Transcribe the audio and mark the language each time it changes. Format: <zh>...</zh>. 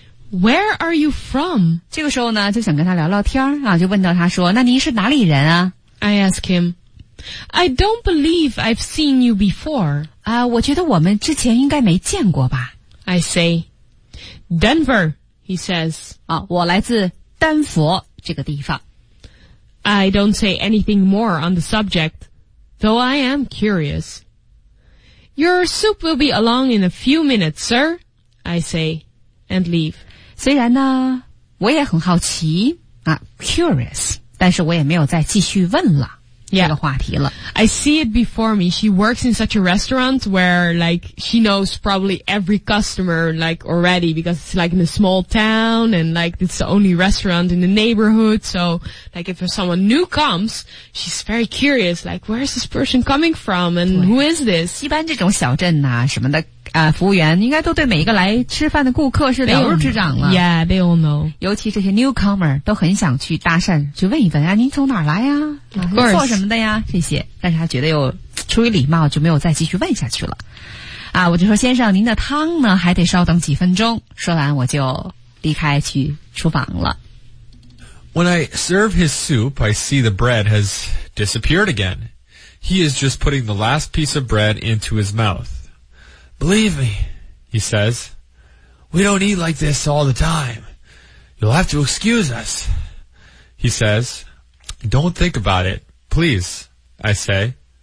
<en>Where are you from?</en> <zh>这个时候呢，就想跟他聊聊天啊，就问到他说，那您是哪里人啊？</zh> <en>I ask him, I don't believe I've seen you before.</en> <zh>我觉得我们之前应该没见过吧。</zh> <en>I say, Denver, he says.</en> <zh>啊，我来自丹佛这个地方。</zh> <en>I don't say anything more on the subject, though I am curious. Your soup will be along in a few minutes, sir, I say, and leave.</en> <zh>虽然呢，我也很好奇啊 ，curious， 但是我也没有再继续问了。</zh> <en>Yeah.</en> <zh>这个话题了。</zh> <en>I see it before me. She works in such a restaurant where, like, she knows probably every customer, like, already, because it's, like, in a small town, and, like, it's the only restaurant in the neighborhood. So, like, if someone new comes, she's very curious, like, where is this person coming from, and who is this?</en> <zh>一般这种小镇啊什么的服务员应该都对每一个来吃饭的顾客是了如指掌了。</zh> <en>Yeah, they all know.</en> <zh>尤其这些 newcomer 都很想去搭讪，去问一问啊，您从哪儿来呀？做什么的呀？这些，但是他觉得又出于礼貌，就没有再继续问下去了。啊，我就说先生，您的汤呢，还得稍等几分钟。说完，我就离开去厨房了。</zh> <en>When I serve his soup, I see the bread has disappeared again. He is just putting the last piece of bread into his mouth. Believe me, he says, we don't eat like this all the time. You'll have to excuse us. He says, don't think about it, please, I say.</en>